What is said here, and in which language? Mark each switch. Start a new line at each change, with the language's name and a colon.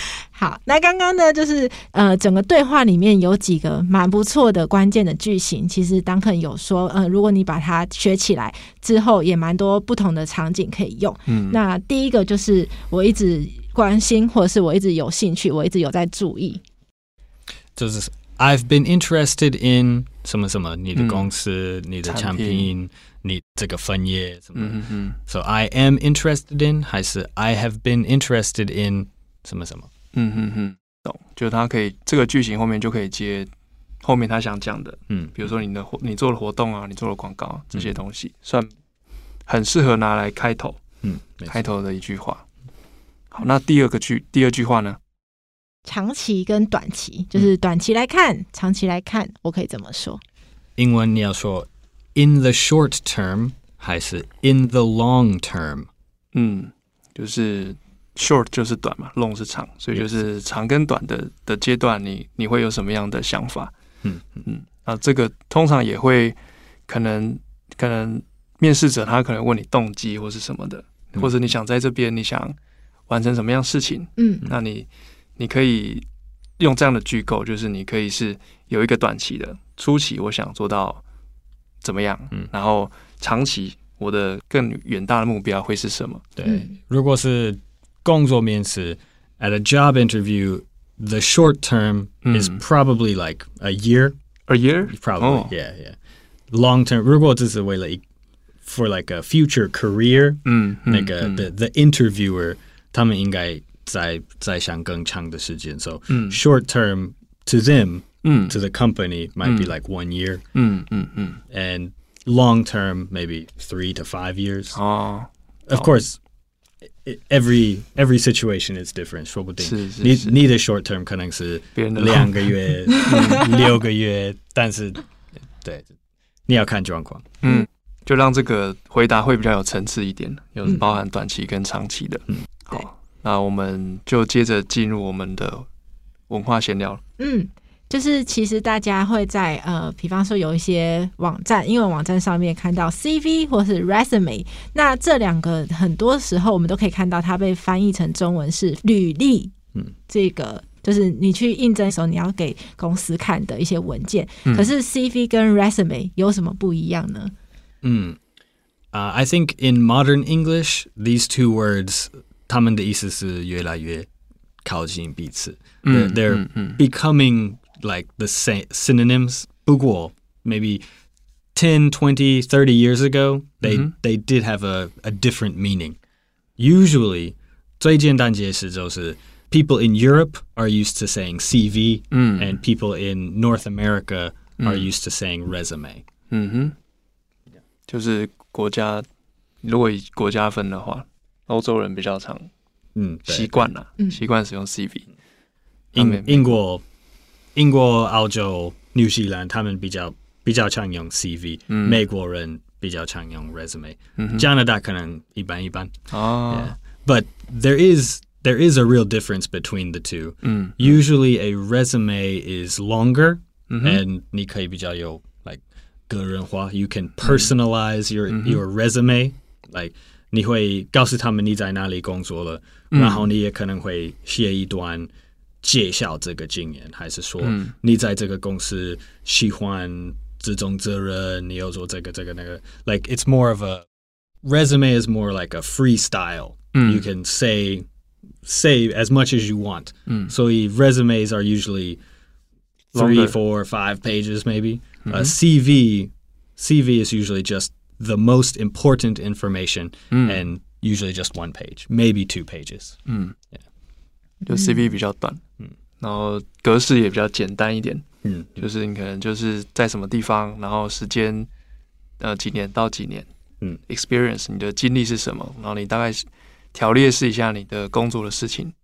Chinese: 好，那刚刚呢就是整个对话里面有几个蛮不错的关键的句型，其实Duncan有说如果你把它学起来之后也蛮多不同的场景可以用。那第一个就是我一直关心，或者是我一直有兴趣，我一直有在注意，就是
English: I've been interested in
Chinese: 什么什么，你的公司，你的产品，你这个分业什么。
English: So I am interested in
Chinese: 还是
English: I have been interested in
Chinese: 什么什么。懂，就他可以这个句型后面就可以接后面他想讲的，比如说你做的活动啊，你做的广告这些东西，算很适合拿来开头，开头的一句话。好，那第二句话呢？长期跟短期，就是短期来看，长期来看，我可以怎么说？英文你要说
English: in the short term
Chinese: 还是
English: in the long term？
Chinese: 就是。 Short 就是短嘛 ，long 是长，所以就是长跟短的阶段你会有什么样的想法？那这个通常也会可能面试者他可能问你动机或是什么的、嗯、或者你想在这边你想完成什么样事情、嗯、那你可以用这样的句构，就是你可以是有一个短期的初期我想做到怎么样、嗯、然后长期我的更远大的目标会是什么。对，如果是工作面试
English: at a job interview, the short term、嗯、is probably like a year. A year? Probably,、oh. yeah, yeah. Long term,
Chinese: 如果这是为了
English: for like a future career,、嗯、那个、嗯、 the interviewer,
Chinese: 他们应该在想更长的时间。
English: So、嗯、 short term to them,、嗯、 to the company, might、嗯、be like 1 year.、嗯嗯嗯、 and long term, maybe 3 to 5 years.、哦、 of course,Every situation is different,
Chinese: 说不定。是是是。你的 short term 可能是两个月、六个月，但是，对，你要看状况。嗯，就让这个回答会比较有层次一点，有包含短期跟长期的。嗯，好，那我们就接着进入我们的文化闲聊。嗯，就是其实大家会在比方说有一些网站，因为网站上面看到 CV 或是 resume, 那这两个很多时候我们都可以看到它被翻译成中文是履历。嗯，这个就是你去应征的时候你要给公司看的一些文件、嗯、可是 CV 跟 resume 有什么不一样呢？
English: 嗯、I think in modern English these two words
Chinese: 他们的意思是越来越靠近彼此、嗯、
English: they're becomingLike the synonyms,
Chinese: 不过
English: maybe 10, 20, 30 years ago, they did have a different meaning. Usually,
Chinese: 最简单解释就是
English: people in Europe are used to saying CV,、 mm. and people in North America are used to saying resume.
Chinese: 嗯哼，就是国家，如果以国家分的话，欧洲人比较常习惯了、习惯使用 CV. 英国英国、澳洲、纽西兰，他们比较常用 CV、嗯、美国人比较常用 resume、嗯、加拿大可能一般一般、哦 yeah.
English: But there is a real difference between the two、嗯、 Usually a resume is longer、嗯、
Chinese: and 你可以比较有 like 个人化
English: You can personalize、嗯、your resume Like
Chinese: 你会告诉他们你在哪里工作了、嗯、然后你也可能会写一段介绍这个经验，还是说你在这个公司喜欢这种责任，你要做这个那个 ？
English: Like it's more of a resume is more like a freestyle.、嗯、 you can say as much as you want.、嗯、
Chinese: 所以
English: resumes are usually three, four, five pages, maybe.、嗯、 a CV is usually just the most important information,、嗯、 and usually just one page, maybe 2 pages.
Chinese: 嗯，就 CV 比较短。然后格式也比较简单一点，嗯，就是你可能就是在什么地方，然后时间，几年到几年，嗯，experience 你的经历是什么，然后你大概条列是一下你的工作的事情，